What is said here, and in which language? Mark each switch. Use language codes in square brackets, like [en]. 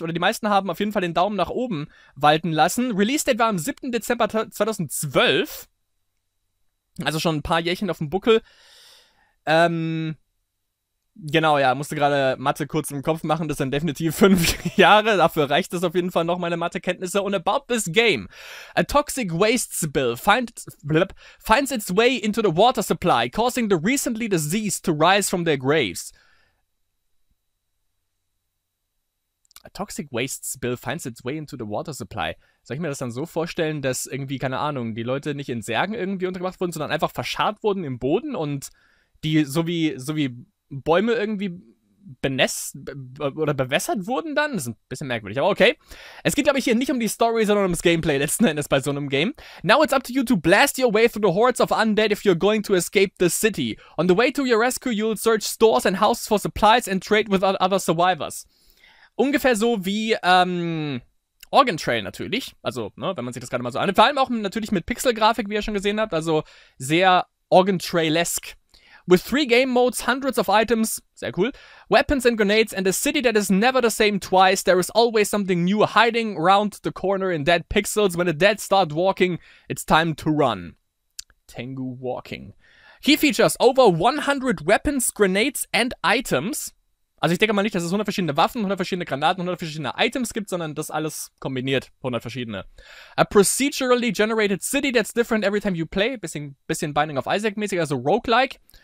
[de] Oder die meisten haben auf jeden Fall den Daumen nach oben walten lassen. Release Date war am 7. Dezember 2012. Also schon ein paar Jährchen auf dem Buckel. Genau, ja, musste gerade Mathe kurz im Kopf machen, das sind definitiv 5 Jahre, dafür reicht es auf jeden Fall noch, meine Mathekenntnisse. [en] Und about this game, a toxic waste spill finds its way into the water supply, causing the recently diseased to rise from their graves. A toxic waste spill finds its way into the water supply. [de] Soll ich mir das dann so vorstellen, dass irgendwie, keine Ahnung, die Leute nicht in Särgen irgendwie untergebracht wurden, sondern einfach verscharrt wurden im Boden und die so wie Bäume irgendwie bewässert wurden dann? Das ist ein bisschen merkwürdig, aber okay. Es geht, glaube ich, hier nicht um die Story, sondern ums Gameplay letzten Endes bei so einem Game. [en] Now it's up to you to blast your way through the hordes of undead if you're going to escape the city. On the way to your rescue, you'll search stores and houses for supplies and trade with other survivors. [de] Ungefähr so wie Oregon Trail natürlich. Also, ne, wenn man sich das gerade mal so anhört. Vor allem auch natürlich mit Pixel-Grafik, wie ihr schon gesehen habt. Also sehr Oregon Trail-esque. [en] With 3 game modes, hundreds of items, [de] sehr cool, [en] weapons and grenades, and a city that is never the same twice, there is always something new hiding around the corner in Dead Pixels. When the dead start walking, it's time to run. Tengu walking. He features over 100 weapons, grenades and items. [de] Also ich denke mal nicht, dass es 100 verschiedene Waffen, 100 verschiedene Granaten, 100 verschiedene Items gibt, sondern das alles kombiniert, 100 verschiedene. [en] A procedurally generated city that's different every time you play, [de] bisschen Binding of Isaac mäßig, also roguelike.